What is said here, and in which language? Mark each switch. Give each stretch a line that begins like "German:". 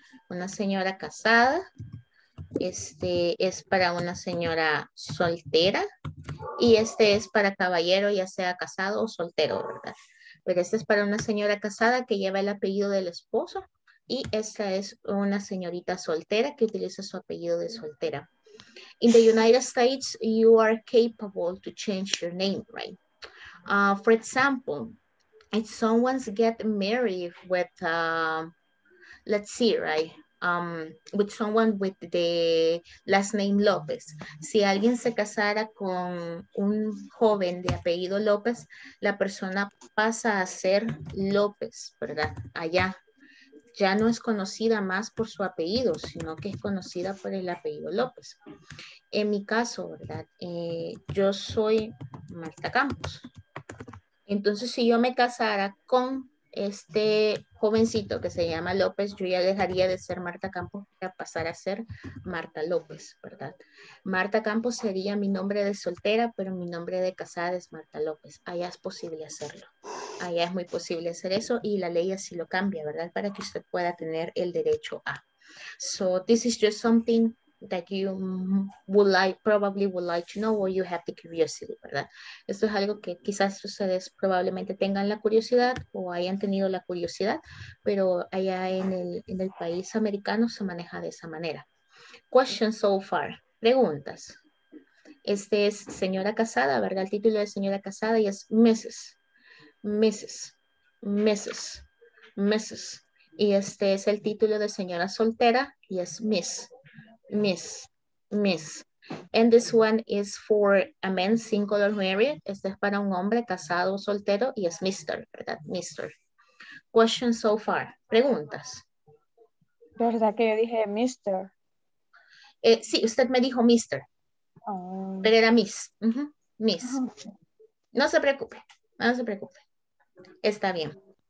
Spanish: Una señora casada, este es para una señora soltera, y este es para caballero, ya sea casado o soltero, ¿verdad? Pero esta es para una señora casada que lleva el apellido del esposo, y esta es una señorita soltera que utiliza su apellido de soltera.
English: In the United States, you are capable to change your name, right? For example, if someone gets married with, with someone with the last name López.
Spanish: Si alguien se casara con un joven de apellido López, la persona pasa a ser López, ¿verdad? Allá. Ya no es conocida más por su apellido, sino que es conocida por el apellido López. En mi caso, ¿verdad? Yo soy Marta Campos. Entonces, si yo me casara con este jovencito que se llama López, yo ya dejaría de ser Marta Campos para pasar a ser Marta López, ¿verdad? Marta Campos sería mi nombre de soltera, pero mi nombre de casada es Marta López. Allá es posible hacerlo. Allá es muy posible hacer eso, y la ley así lo cambia, ¿verdad? Para que usted pueda tener el derecho a.
English: So this is just something that you would like, probably would like to know, or you have the curiosity,
Spanish: ¿verdad? Esto es algo que quizás ustedes probablemente tengan la curiosidad o hayan tenido la curiosidad, pero allá en el país americano se maneja de esa manera.
English: Questions so far.
Spanish: Preguntas. Este es señora casada, ¿verdad? El título de señora casada, y es Mrs. Y este es el título de señora soltera, y es Miss.
English: And this one is for a man single or married.
Spanish: Este es para un hombre casado o soltero, y es Mr., ¿verdad?
English: Mr. Questions so far.
Spanish: Preguntas. ¿Verdad que yo dije Mr.? Sí, usted me dijo Mr. Pero era Miss. Miss. No se preocupe. No se preocupe. Está bien.